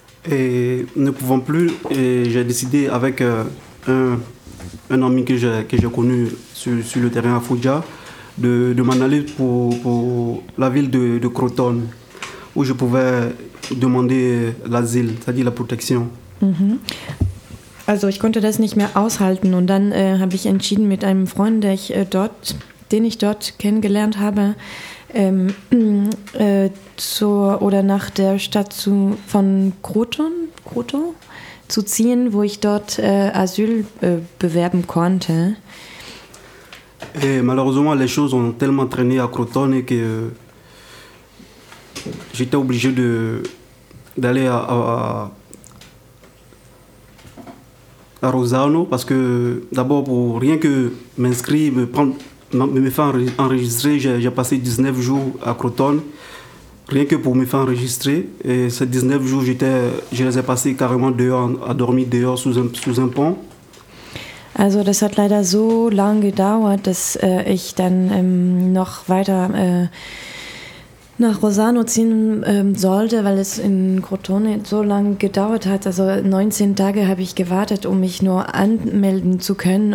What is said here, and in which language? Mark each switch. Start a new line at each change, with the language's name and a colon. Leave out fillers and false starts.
French: Et ne pouvant plus, j'ai décidé avec un ami que j'ai connu sur le terrain à Foggia de m'en aller pour la ville de Crotone où je pouvais demander l'asile, c'est-à-dire la protection. Mm-hmm.
German: Also, ich konnte das nicht mehr aushalten und dann habe ich entschieden mit einem Freund, den ich dort kennengelernt habe, nach der Stadt von Croton zu ziehen, wo ich dort Asyl bewerben konnte.
French: Et malheureusement, les choses ont tellement traîné à Croton que j'étais obligé d'aller à Rosano, parce que d'abord, pour rien que m'inscrire, me faire enregistrer, j'ai passé 19 jours à Crotone, rien que pour me faire enregistrer. Et ces 19 jours, je les ai passés carrément dehors, à dormir dehors sous un pont.
German: Also, das hat leider so lange gedauert, dass ich dann noch weiter nach Rosano ziehen sollte, weil es in Crotone so lange gedauert hat. Also 19 Tage habe ich gewartet, um mich nur anmelden zu können.